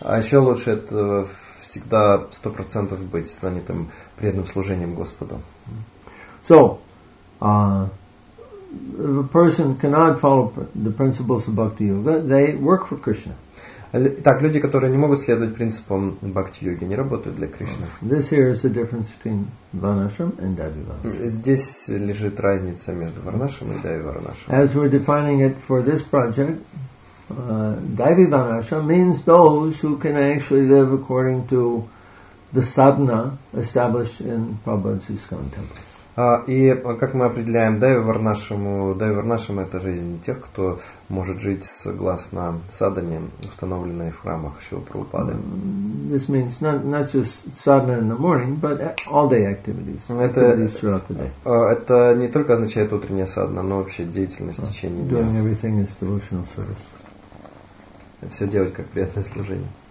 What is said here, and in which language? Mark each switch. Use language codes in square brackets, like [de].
[ru] А еще лучше это всегда 100% быть занятым преданным служением Господу. [en] So, if a person cannot follow the principles of Bhakti Yoga, they work for Krishna. [ru] Так, люди, которые не могут следовать принципам Бхакти-йоги, не работают для Кришны. [en] This here is the difference between Varnashram and Daivarnashram. [ru] Здесь лежит разница между Варнашрам и Даиварнашрам. [en] As we're defining it for this project, Daivarnashram means those who can actually live according to the sadhana established in Prabhupada's ISKCON temples. [ru] И как мы определяем Дайварнашаму, это жизнь тех, кто может жить согласно садхане, установленной в храмах Шрилы Прабхупады. [en] This means not just sadhana in the morning, but all day activities. Activities throughout the day. [ru] Это не только означает утренняя садхана, но вообще деятельность в течение дня. [en] Doing everything is devotional service. [ru] Все делать как приятное служение.